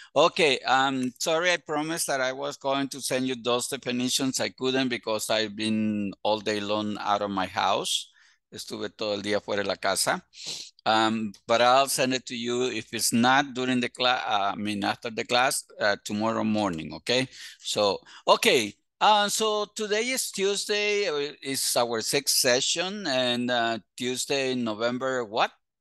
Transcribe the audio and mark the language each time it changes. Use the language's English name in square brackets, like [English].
[English] Okay, sorry, I promised that I was going to send you those definitions. I couldn't because I've been all day long out of my house. [Spanish] Estuve todo el día fuera de la casa. [English] But I'll send it to you if it's not during the class, after the class, tomorrow morning, okay? So today is Tuesday. It's our sixth session, and Tuesday, November what?